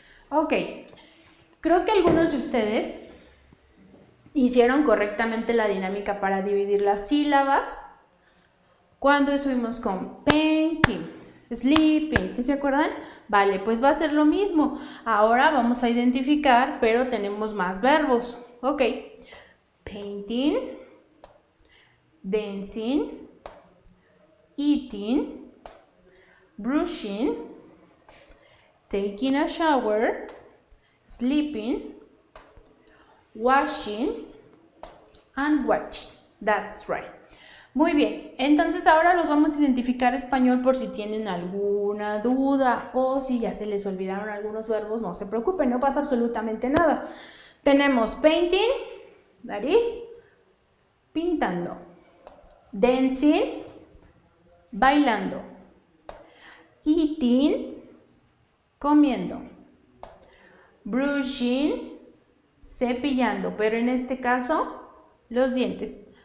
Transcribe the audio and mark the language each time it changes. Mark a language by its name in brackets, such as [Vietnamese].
[Spanish] Ok, creo que algunos de ustedes hicieron correctamente la dinámica para dividir las sílabas cuando estuvimos con painting, sleeping, ¿sí se acuerdan? Vale, pues va a ser lo mismo. Ahora vamos a identificar, pero tenemos más verbos. [English] Ok, painting, dancing, eating, brushing, taking a shower, sleeping, washing, and watching. That's right. [Spanish] Muy bien, entonces ahora los vamos a identificar español por si tienen alguna duda o si ya se les olvidaron algunos verbos, no se preocupen, no pasa absolutamente nada. Tenemos painting, [English] that is, [Spanish] pintando, dancing, bailando, eating, comiendo, brushing, cepillando, pero en este caso, los dientes.